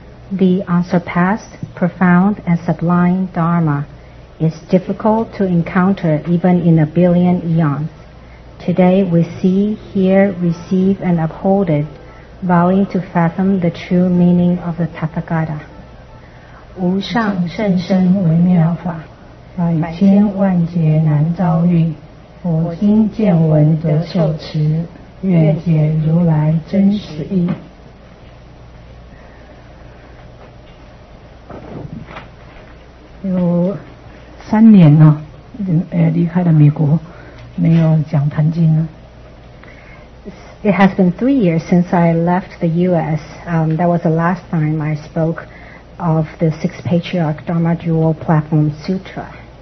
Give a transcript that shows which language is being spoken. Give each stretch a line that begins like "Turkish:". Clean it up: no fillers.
English: The unsurpassed, profound, and sublime Dharma is difficult to encounter even in a billion eons. Today we see, hear, receive, and uphold it, vowing to fathom the true meaning of the Tathagata.
Chinese: 无上甚深微妙法，百千万劫难遭遇。我今见闻得受持，愿解如来真实义。有三年了，离开了美国，没有讲坛经了。
English: It has been 3 years since I left the U.S. That was the last time I spoke. Of the Six Patriarch Dharma Jewel Platform Sutra.